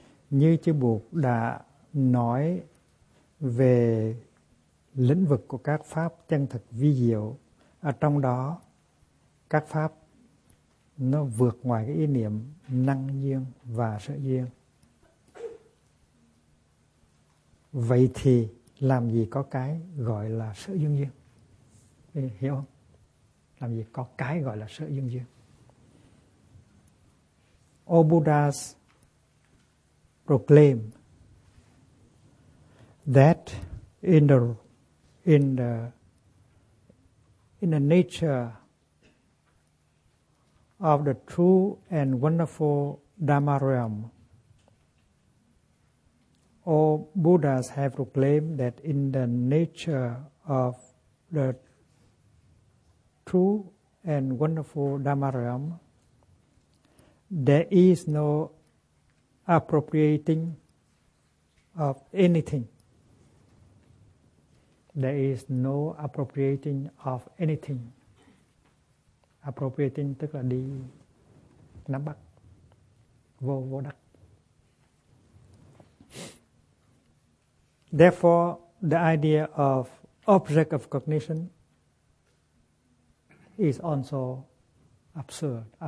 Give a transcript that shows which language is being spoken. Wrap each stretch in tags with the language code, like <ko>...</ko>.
<vi>Như Chư Bụt đã nói về lĩnh vực của các pháp chân thực vi diệu, ở trong đó các pháp nó vượt ngoài cái ý niệm năng duyên và sở duyên. Vậy thì làm gì có cái gọi là sở duyên duyên? Hiểu không? Làm gì có cái gọi là sở duyên duyên?</vi> <en>O Buddhas proclaim that in the nature of the true and wonderful Dharma realm, all Buddhas have proclaimed that in the nature of the true and wonderful Dharma realm, there is no appropriating of anything. There is no appropriating of anything.</en> <vi>Appropriating tức là đi nắm bắt, vô đắc.</vi> <en>Therefore, the idea of object of cognition is also absurd.</en>